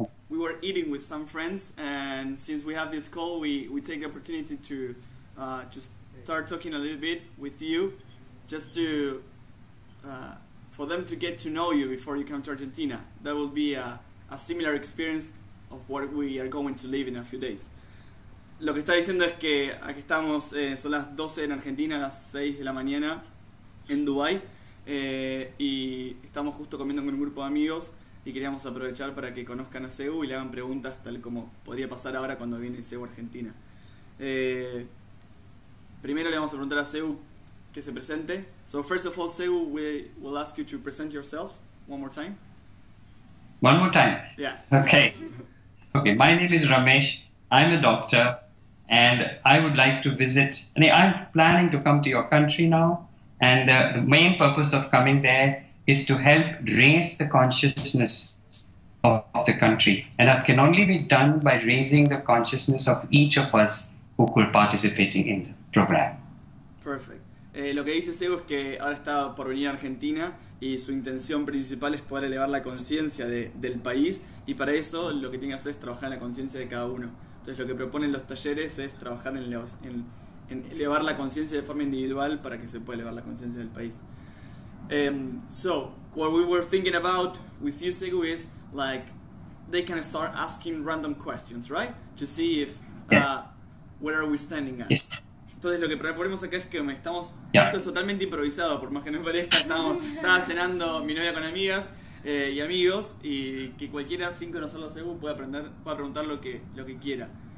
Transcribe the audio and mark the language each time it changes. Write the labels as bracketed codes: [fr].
[en] We were eating with some friends, and since we have this call, we take the opportunity to just start talking a little bit with you, just to for them to get to know you before you come to Argentina. That will be a similar experience of what we are going to live in a few days. [es] Lo que está diciendo es que aquí estamos, son las 12 en Argentina, las 6 de la mañana en Dubai, y estamos justo comiendo con un grupo de amigos y queríamos aprovechar para que conozcan a Seu y le hagan preguntas tal como podría pasar ahora cuando viene Seu a Argentina. Primero le vamos a preguntar a Seu que se presente. [en] So first of all, Seu, we will ask you to present yourself one more time. One more time? Yeah. Okay, my name is Ramesh. I'm a doctor, and I would like to visit. I'm planning to come to your country now, and the main purpose of coming there is to help raise the consciousness of the country. And that can only be done by raising the consciousness of each of us who could participate in the program. Perfect. [es] Lo que dice Seu es que ahora está por venir a Argentina y su intención principal es poder elevar la conciencia del país, y para eso lo que tiene que hacer es trabajar en la conciencia de cada uno. Entonces lo que proponen los talleres es trabajar en elevar la conciencia de forma individual para que se pueda elevar la conciencia del país. [en] So what we were thinking about with you, Seu, is like they can start asking random questions, right? To see if where are we standing at. Yes. [es] Entonces lo que proponemos acá es que estamos, [en] yeah, [es] esto es totalmente improvisado, por más que no parezca, estaba cenando mi novia con amigas y amigos, y que cualquiera sin conocerlo a Seu pueda preguntar lo que quiera.